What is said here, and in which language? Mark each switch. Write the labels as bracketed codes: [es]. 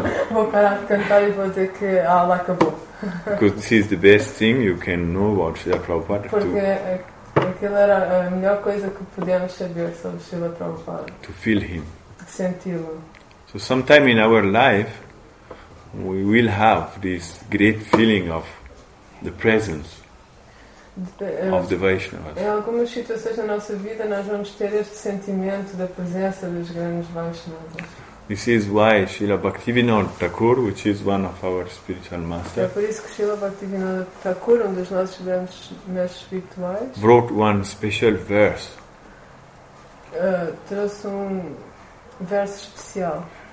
[pt] Vou parar de cantar e vou dizer que a aula acabou. [en] Because this is the best thing you can know about Srila Prabhupada. [pt] Porque aquilo era a melhor coisa que podíamos saber sobre Srila Prabhupada. [en] To feel him. [pt] Senti-lo. [en] So sometime in our life we will have this great feeling of the presence of the Vaishnavas. [pt] Em algumas situações da nossa vida nós vamos ter este sentimento da presença dos grandes Vaishnavas. [en] This is why Srila Bhaktivinoda Thakur, which is one of our spiritual masters, [pt] é por isso que Srila Bhaktivinoda Thakur, um dos nossos grandes mestres espirituais, [en] wrote one special verse. [pt] Trouxe um verso especial.